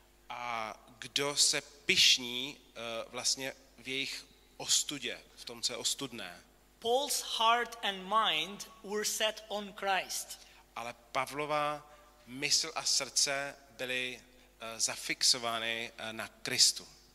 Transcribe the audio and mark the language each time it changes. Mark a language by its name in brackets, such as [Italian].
[Czech] A kdo se pyšní vlastně v jejich ostudě, v tom, co je ostudné. [English] Paul's heart and mind were set on Christ. [Czech] Ale Pavlova mysl a srdce byly zafixovány na Kristu.